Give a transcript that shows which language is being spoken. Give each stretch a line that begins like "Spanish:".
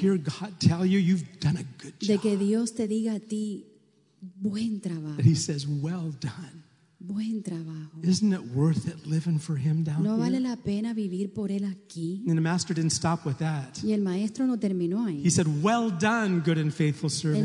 English: To hear God tell you you've done a good job.
Spanish: De que Dios te diga a ti buen trabajo.
English: That He says well done.
Spanish: Buen trabajo.
English: Isn't it worth it living for Him down
Spanish: no No vale la pena vivir por él aquí.
English: And the master didn't stop with that.
Spanish: Y el maestro no terminó ahí.
English: He said, "Well done, good and faithful servant."